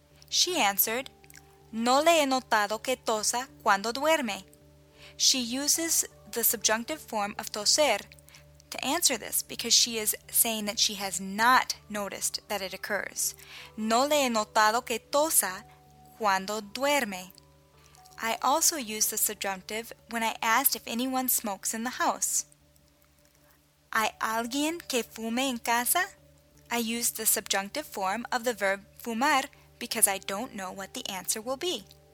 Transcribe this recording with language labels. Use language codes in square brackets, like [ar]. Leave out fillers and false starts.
[en] She answered, [es] No le he notado que tosa cuando duerme. [en] She uses the subjunctive form of toser to answer this because she is saying that she has not noticed that it occurs. [es] No le he notado que tosa cuando duerme. [en] I also use the subjunctive when I asked if anyone smokes in the house. [es] ¿Hay alguien que fume en casa? [en] I use the subjunctive form of the verb fumar because I don't know what the answer will be.